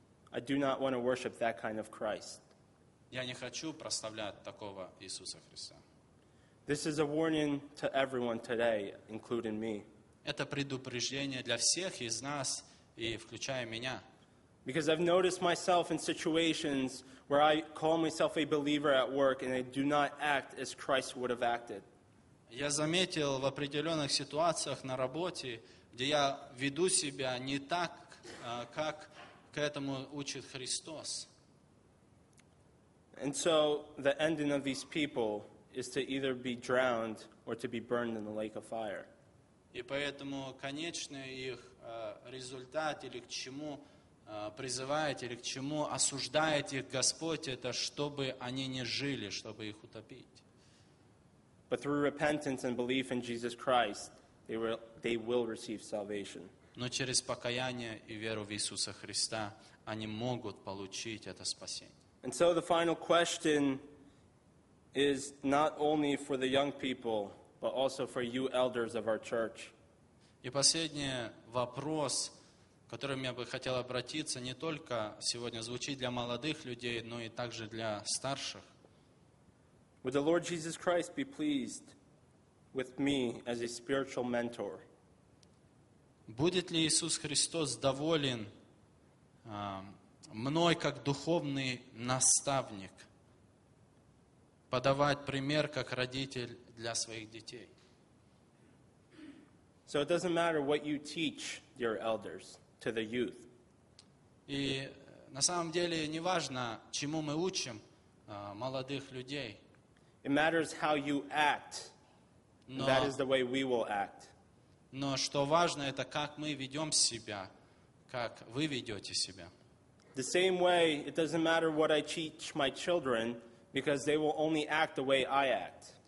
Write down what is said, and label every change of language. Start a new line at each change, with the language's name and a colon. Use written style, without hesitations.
English: I do not want to worship that kind of Christ.
Russian: Я не хочу прославлять такого Иисуса Христа.
English: This is a warning to everyone today, including me.
Russian: Это предупреждение для всех из нас, и включая меня.
English: Because I've noticed myself in situations where I call myself a believer at work and I do not act as Christ would have acted.
Russian: Я заметил в определенных ситуациях на работе, где я веду себя не так, как к этому учит Христос.
English: And so the ending of these people is to either be drowned or to be burned in the lake of fire.
Russian: И поэтому конечный их результат или к чему призывает или к чему осуждает их Господь, это чтобы они не жили, чтобы их утопить.
English: But through repentance and belief in Jesus Christ, they will receive salvation.
Russian: Но через покаяние и веру в Иисуса Христа они могут получить это спасение.
English: And so the final question is not only for the young people, but also for you elders of our church.
Russian: И последний вопрос, к которому я бы хотел обратиться, не только сегодня звучит для молодых людей, но и также для старших.
English: Would the Lord Jesus Christ be pleased with me as a spiritual mentor?
Russian: Будет ли Иисус Христос доволен мной как духовный наставник, подавать пример как родитель для своих детей?
English: So it doesn't matter what you teach your elders to the youth.
Russian: И на самом деле не важно, чему мы учим молодых людей.
English: It matters how you act.
Russian: Но,
English: that is the way we will act.
Russian: Но что важно, это как мы ведем себя, как вы ведете себя.
English: The same way, it doesn't matter what I teach my children, because they will only act the way I act.